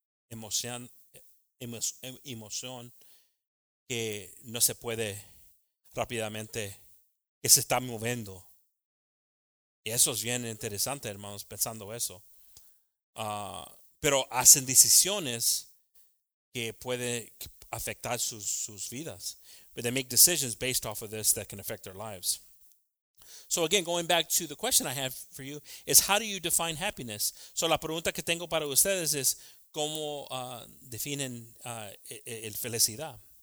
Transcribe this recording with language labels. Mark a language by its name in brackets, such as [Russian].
[Spanish] Emoción que no se puede rápidamente, que se está moviendo. Y eso es bien interesante, hermanos, pensando eso. Pero hacen decisiones que puede afectar sus vidas. [English] But they make decisions based off of this that can affect their lives. So again, going back to the question I have for you is how do you define happiness? [Spanish] So la pregunta que tengo para ustedes es ¿cómo definen el felicidad?